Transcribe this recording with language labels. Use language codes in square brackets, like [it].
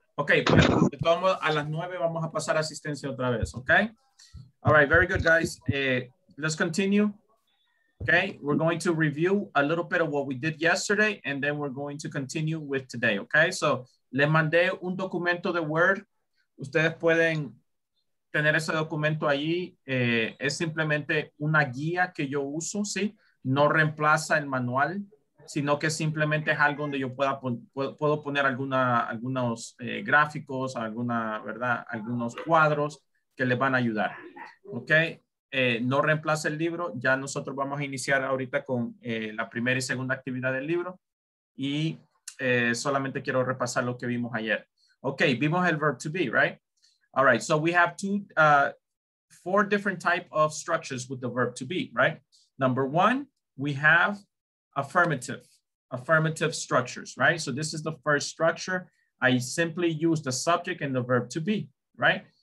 [es] Ok, de todo modo, a las 9 vamos a pasar asistencia otra vez, ok? [en] All right, very good, guys. Let's continue. Okay, we're going to review a little bit of what we did yesterday, and then we're going to continue with today, okay? [es] So, le mandé un documento de Word. Ustedes pueden tener ese documento allí. Es simplemente una guía que yo uso, ¿sí? No reemplaza el manual, sino que simplemente es algo donde yo puedo poner algunos gráficos, alguna, ¿verdad? Algunos cuadros que les van a ayudar. Ok. no reemplace el libro. Ya nosotros vamos a iniciar ahorita con la primera y segunda actividad del libro. Y solamente quiero repasar lo que vimos ayer. [en] Okay, [es] vimos el [en] verb to be, right? All right, so we have four different type of structures with the verb to be, right? Number one, we have affirmative structures, right? So this is the first structure. I simply use the subject and the verb to be, right?